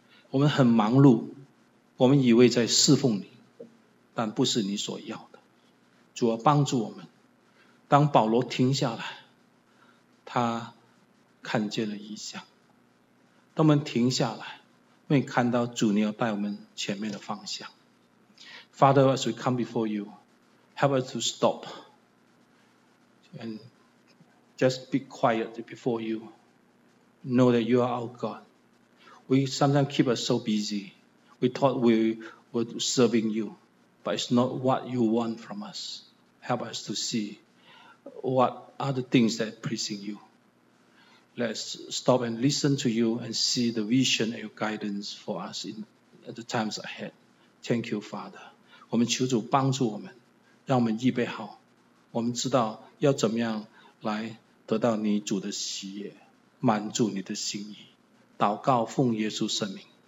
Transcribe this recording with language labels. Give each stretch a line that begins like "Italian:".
Chinese: 我们很忙碌，我们以为在侍奉你，但不是你所要的。主要帮助我们。当保罗停下来，他看见了异象。当我们停下来，我们看到主你要带我们前面的方向。
English: Father, as we come before you, help us to stop and just be quiet before you. Know that you are our God. We sometimes keep us so busy. We thought we were serving you, but it's not what you want from us. Help us to see. What are the things that are pleasing you? Let's stop and listen to you and see the vision and your guidance for us in the times ahead. Thank you, Father.
Chinese: 我们求主帮助我们，让我们预备好，我们知道要怎么样来得到你主的喜悦，满足你的心意。祷告奉耶稣圣名。